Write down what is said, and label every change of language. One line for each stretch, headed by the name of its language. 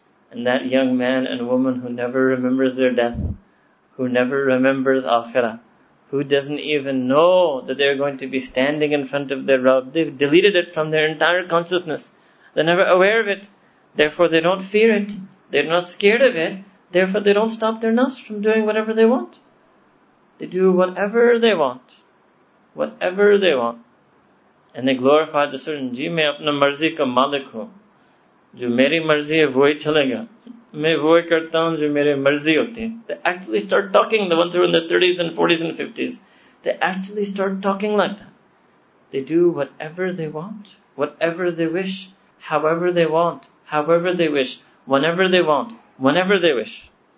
English: And that young man and woman who never remembers their death, who never remembers akhirah, who doesn't even know that they're going to be standing in front of their Rabb, they've deleted it from their entire consciousness. They're never aware of it. Therefore they don't fear it. They're not scared of it. Therefore they don't stop their nafs from doing whatever they want. They do whatever they want. Whatever they want. And they glorify the certain,
Urdu: جی میں اپنا مرضی کا مالک ہوں. جو میری مرضی ہے وہی چلے گا. میں وہی کرتا ہوں جو میری مرضی ہوتی ہے.
English: They actually start talking, the ones who are in their 30s and 40s and 50s. They actually start talking like that. They do whatever they want. Whatever they wish. However they want. However they wish. Whenever they want. Whenever they wish.